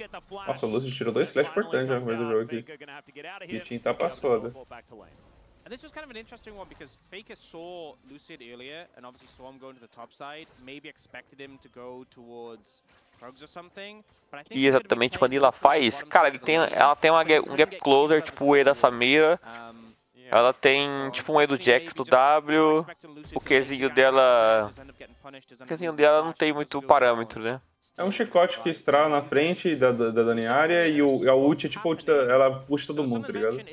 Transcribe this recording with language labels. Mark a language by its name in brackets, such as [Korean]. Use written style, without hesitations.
[Portuguese] Nossa, o Lucy tirou dois flash importantes no meio do jogo aqui. E o time tá passado. [English] And this was kind of an interesting one because Faker saw Lucid earlier and obviously saw him going to the top side, maybe expected him to go towards drugs or something. [Portuguese] E exatamente quando ela faz, cara, ela tem um gap closer tipo o E da Samira. Ela tem tipo um E do Jax do W. O Qzinho dela não tem muito parâmetro, né? É um chicote que estrala na frente da Daniária e a ult é tipo a ult da, ela puxa todo mundo, tá ligado?